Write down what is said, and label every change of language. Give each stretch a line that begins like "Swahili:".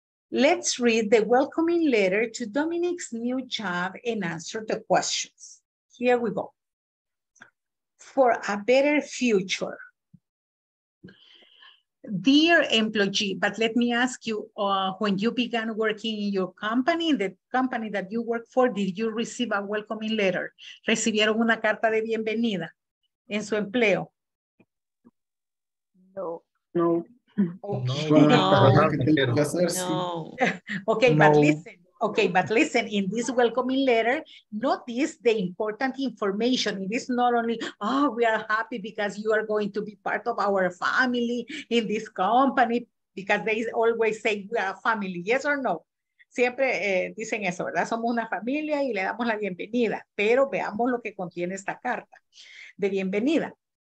English: Let's read the welcoming letter to Dominic's new job and answer the questions. Here we go. For a better future. Dear employee, but let me ask you, when you began working in your company, in the company that you work for, did you receive a welcoming letter?
Spanish: ¿Recibieron una carta de bienvenida en su empleo? No. No.
English: Okay. No. Okay, but listen. Okay, but listen. In this welcoming letter, notice the important information. It is not only, oh, we are happy because you are going to be part of our family in this company, because they always say we are a family. Yes or no?
Spanish: Siempre dicen eso, ¿verdad? Somos una familia y le damos la bienvenida. Pero veamos lo que contiene esta carta de bienvenida.